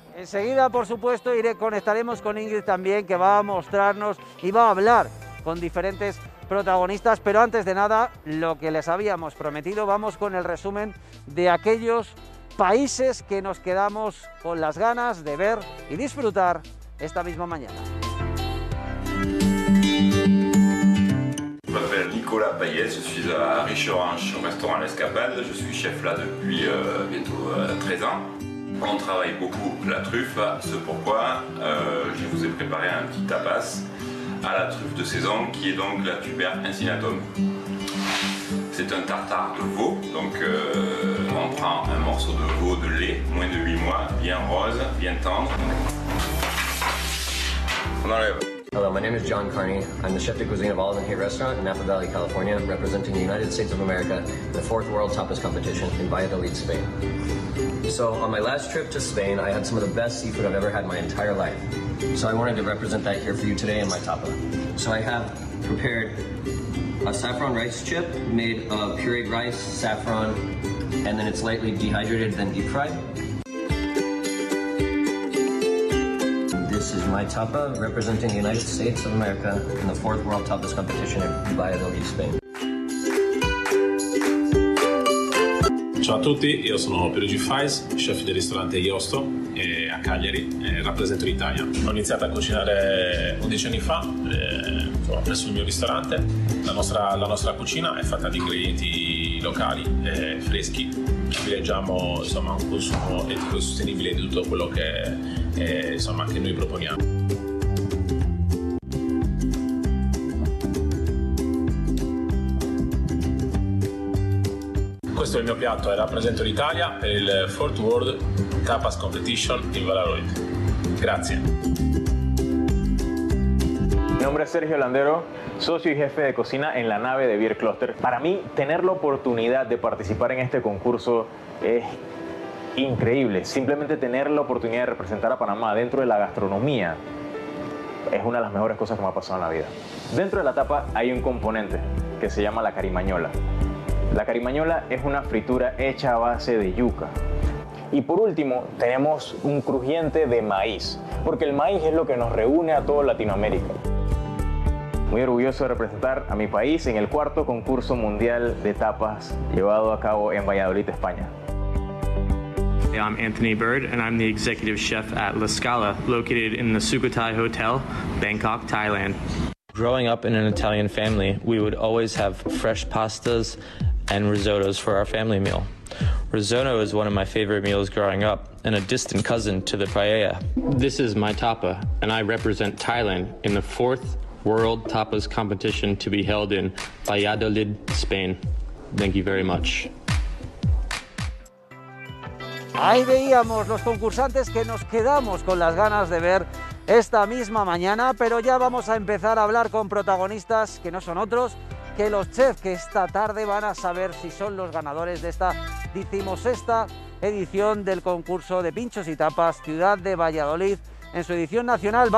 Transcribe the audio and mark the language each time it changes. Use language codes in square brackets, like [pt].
[es] Enseguida, por supuesto, conectaremos con Ingrid también, que va a mostrarnos y va a hablar con diferentes protagonistas. Pero antes de nada, lo que les habíamos prometido, vamos con el resumen de aquellos países que nos quedamos con las ganas de ver y disfrutar esta misma mañana. [fr] Je m'appelle Nicolas Payet, je suis à Riche-Orange, au restaurant L'Escapade. Je suis chef là depuis bientôt 13 ans. On travaille beaucoup la truffe, c'est pourquoi je vous ai préparé un petit tapas à la truffe de saison, qui est donc la Tuber Incinatum. C'est un tartare de veau, donc on prend un morceau de veau de lait, moins de 8 mois, bien rose, bien tendre. On enlève. [en] Hello, my name is John Carney. I'm the chef de cuisine of Olive & Kate Restaurant in Napa Valley, California, representing the United States of America in the 4th World Tapas Competition in Valladolid, Spain. So, on my last trip to Spain, I had some of the best seafood I've ever had in my entire life. So I wanted to represent that here for you today in my tapa. So I have prepared a saffron rice chip made of pureed rice, saffron, and then it's lightly dehydrated, then deep fried. This is my tapa, representing the United States of America in the 4th World Tapas Competition in Valladolid, Spain. [it] Ciao a tutti, io sono Pierluigi Fais, chef del ristorante Iosto a Cagliari, rappresento l'Italia. Ho iniziato a cucinare 11 anni fa, presso il mio ristorante. La nostra cucina è fatta di ingredienti locali, freschi. Privilegiamo insomma un consumo etico e sostenibile di tutto quello che noi proponiamo. Questo è il mio piatto e rappresento l'Italia per il Fourth World Tapas Competition in Valladolid. Grazie. [es] Mi nombre es Sergio Landero, socio y jefe de cocina en la nave de Beer Cluster. Para mí, tener la oportunidad de participar en este concurso es increíble. Simplemente tener la oportunidad de representar a Panamá dentro de la gastronomía es una de las mejores cosas que me ha pasado en la vida. Dentro de la tapa hay un componente que se llama la carimañola. La carimañola es una fritura hecha a base de yuca. Y por último, tenemos un crujiente de maíz, porque el maíz es lo que nos reúne a toda Latinoamérica. Muy orgulloso de representar a mi país en el cuarto concurso mundial de tapas llevado a cabo en Valladolid, España. [en] Hey, I'm Anthony Bird and I'm the executive chef at La Scala, located in the Sukhothai Hotel, Bangkok, Thailand. Growing up in an Italian family, we would always have fresh pastas and risottos for our family meal. Risotto is one of my favorite meals growing up and a distant cousin to the paella. This is my tapa and I represent Thailand in the fourth World Tapas competition to be held in Valladolid, Spain. Thank you very much. [es] Ahí veíamos los concursantes que nos quedamos con las ganas de ver esta misma mañana, pero ya vamos a empezar a hablar con protagonistas que no son otros que los chefs que esta tarde van a saber si son los ganadores de esta, decimos, esta edición del concurso de pinchos y tapas Ciudad de Valladolid en su edición nacional.